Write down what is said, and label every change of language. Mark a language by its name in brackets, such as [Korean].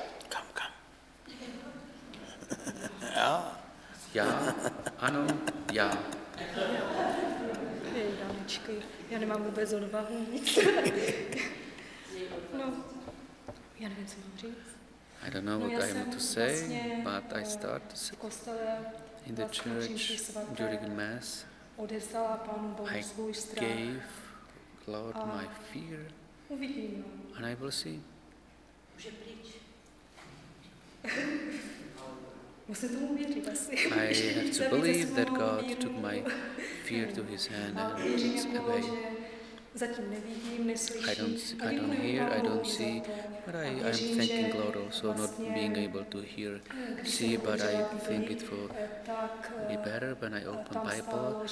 [English] Come. [Czech] Já? Ano, já. Hej, dámičky, já nemám vůbec odvahu nic. No, já nevím, co mám říct. [English] I don't know what I want to say, but I start to say. [Czech] Kostele, [English] in the church, during mass, [Czech] odevzdala Pánu Bohu svůj strach. [English] I gave Lord my fear. [Czech] Uvidím. [English] And I will see. [Czech] Může pryč. Musím tomu věřit asi. [English] I have to believe that God took my fear to His hand and it's away. [Czech] Zatím nevidím, neslyším. [English] I don't hear, I don't see, but I'm thanking God also not being able to hear, see, but I think it will be better when I open Bible.